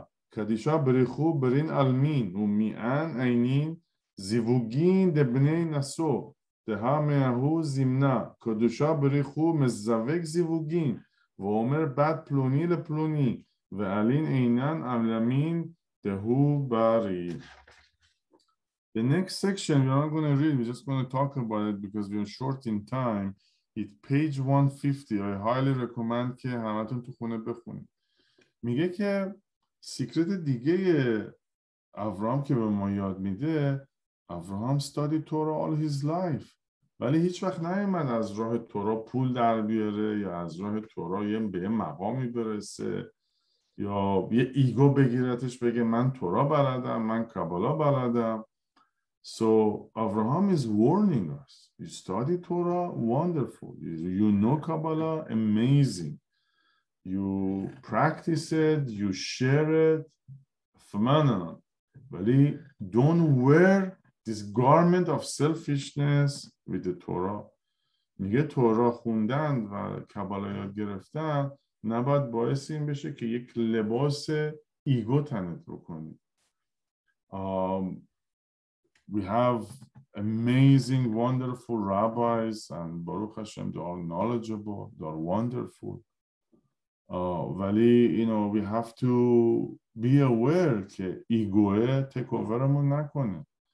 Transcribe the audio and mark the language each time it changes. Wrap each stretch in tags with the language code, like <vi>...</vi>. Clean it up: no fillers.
<arc>קדישה בריחו ברין אלמין ומיען עינין זיווגין דבני נסו דה מהו זימנה קדושה בריחו מזווג זיווגין ואומר בת פלוני לפלוני ואלין עינן אלמין דהו ברי.</arc> <en>The next section we're not going to read, we're just going to talk about it because we're short in time. It's page 150. I highly recommend</en> <fa>که همتون تو خونه بخونید. میگه که سیکرت دیگه ابراهام که به ما یاد میده، ابراهام استادی تورا</fa> <en>all his life،</en> <fa>ولی هیچ وقت نیومد از راه تورا پول در بیاره یا از راه تورا یه به مقامی برسه یا یه ایگو بگیرتش بگه من تورا بلدم، من کابالا بلدم.</fa> <en>So Abraham is warning us. You study Torah, wonderful. You know Kabbalah, amazing. You practice it, you share it, phenomenal. But don't wear this garment of selfishness with the Torah.</en> <fa>میگه تورات خوندن و کابالا یاد گرفتن نباید باعث این بشه که یک لباس ایگو تنت بکنی.</fa> <en>We have amazing, wonderful rabbis, and Baruch Hashem, they are knowledgeable, they are wonderful. ولی you know, we have to be aware</en> <fa>که ایگوه تک اوورمون نکنه.</fa>